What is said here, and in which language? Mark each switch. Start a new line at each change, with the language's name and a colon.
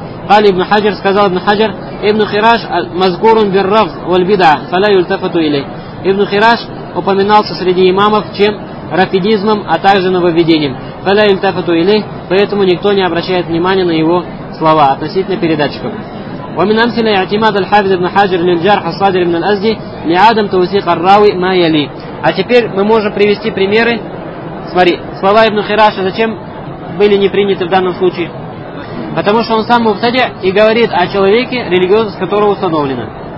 Russian: Кали ибн Хаджар сказал ибн Хаджар:
Arabic: ибн Хираш мазгурун бир-рафз валь-бид'а фала юльтафату илей.
Russian: Ибн Хираш упоминался среди имамов чем? Рафидизмом, а также нововведением.
Arabic: Фала юльтафату илей,
Russian: поэтому никто не обращает внимания на его слова относительно передатчиков.
Arabic: ومن أمثلة اعتماد الحافظ ابن حجر للجرح الصادر من الأزدي لعدم توثيق الراوي ما يلي.
Russian: А теперь мы можем привести примеры. Смотри, слова ибн Хираша зачем были не приняты в данном случае? Потому что он сам муфтади и говорит о человеке, религиозность которого установлена.